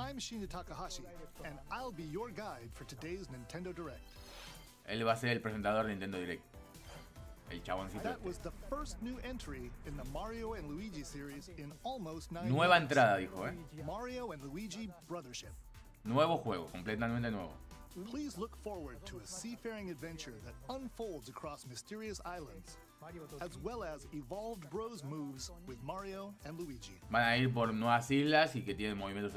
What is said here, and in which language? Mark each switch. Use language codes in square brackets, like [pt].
[en] I'm Shinya Takahashi and I'll be your guide for today's Nintendo Direct. [es] Él va a ser el presentador de Nintendo Direct. El chaboncito. [en] That was the first new entry in the Mario and Luigi series in almost 9 years. [es] Nueva entrada, dijo, [en] Mario and Luigi Brothership. [es] Nuevo juego, completamente nuevo. [en] Please look forward to a seafaring adventure that unfolds across mysterious islands. As well as evolved bros moves with Mario and Luigi. [es] Van a ir por nuevas islas y que tienen movimientos especiales,